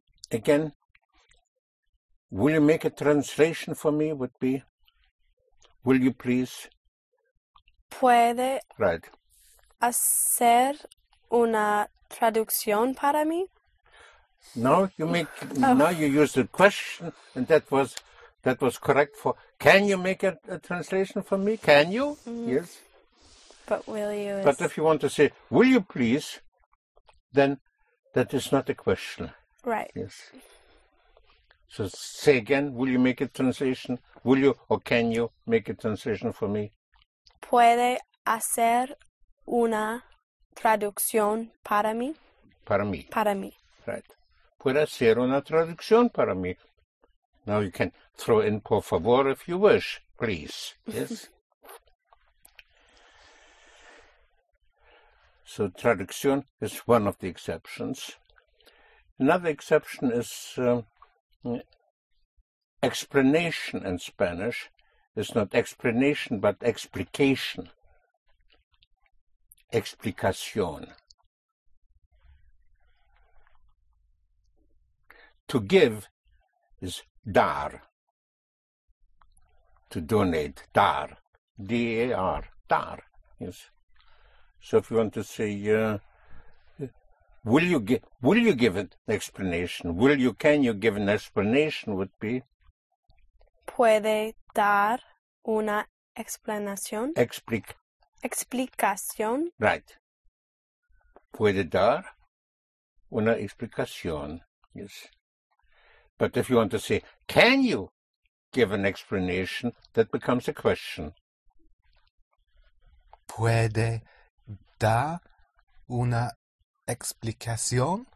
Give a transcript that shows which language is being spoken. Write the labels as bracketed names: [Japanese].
[English] Again, will you make a translation for me would be, will you please? [Spanish] Puede. [English] Right. [Spanish] Hacer una traducción para mí? [English] Now you use the question, and that was correct for, can you make a translation for me? Can you? Mm-hmm. Yes. But will you? But if you want to say, will you please, then that is not a question. Right. Yes. So say again, will you make a translation? Will you or can you make a translation for me? [Spanish] Puede hacer una traducción para mí? Para mí. Para mí. [English] Right. [Spanish] puede hacer una traducción para mí. [English] Now you can throw in [Spanish] por favor [English] if you wish, please. Yes. So traducción is one of the exceptions. Another exception is explanation in Spanish. It's not explanation, but explication. [Spanish] Explicación. [English] To give is dar. To donate, dar. D-A-R, dar. Yes. So if you want to say, will you give an explanation? Can you give an explanation would be? [Spanish] Puede dar una explanación? Explicación. Right. Puede dar una explicación. [English] Yes. But if you want to say, can you give an explanation, that becomes a question. [Spanish] Puede dar una explicación?